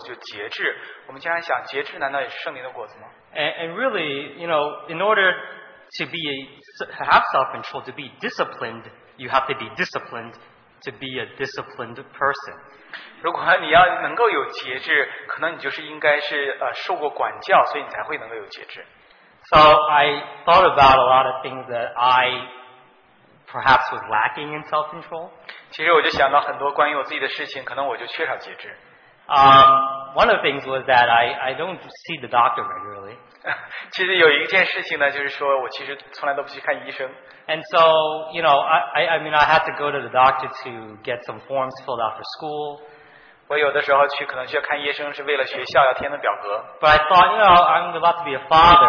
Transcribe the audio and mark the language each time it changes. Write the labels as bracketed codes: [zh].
[zh] 当我们做到加，我特别讲到加拉太书的经节，这里尤其最后一个圣灵的果子就节制。我们经常想，节制难道也是圣灵的果子吗？ [en] And really, you know, in order to be have self-control, to be disciplined, you have to be disciplined. To be a disciplined person. [zh] 如果你要能够有节制，可能你就是应该是受过管教，所以你才会能够有节制。 [en] So I thought about a lot of things that I perhaps was lacking in self-control. [zh] 其实我就想到很多关于我自己的事情，可能我就缺少节制。 [en] One of the things was that I don't see the doctor regularly. [zh] 其实有一件事情呢，就是说我其实从来都不去看医生。 [en] And so, you know, I mean, I have to go to the doctor to get some forms filled out for school. [zh] 我有的时候去可能需要看医生，是为了学校要填的表格。 [en] But I thought, you know, I'm about to be a father.